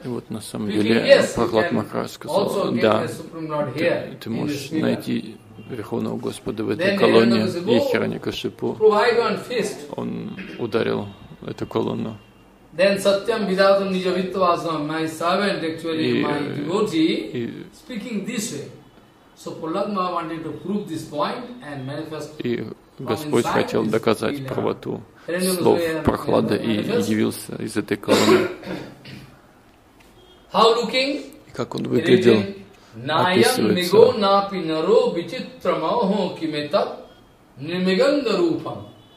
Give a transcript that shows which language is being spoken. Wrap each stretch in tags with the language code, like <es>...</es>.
<ru>И вот на самом деле Прахлад Махарадж сказал, да, ты можешь найти Верховного Господа в этой колонии. И Хираньякашипу он ударил эту колонну.</ru> <en>Then Satyam Vidhatam Nijavittvasam, my servant actually, my devotee, speaking this way. So Prahlad Maharaj wanted to prove this point and manifest from inside.</en> <ru>И Господь хотел доказать правоту слов Прахлада и явился из этой колонии.</ru> <en>How looking?</en> <ru>Как он выглядел?</ru> <sa>Наям Мигонапи Наро Вичитрамахо Кимета Нимиганда Рупам.</sa>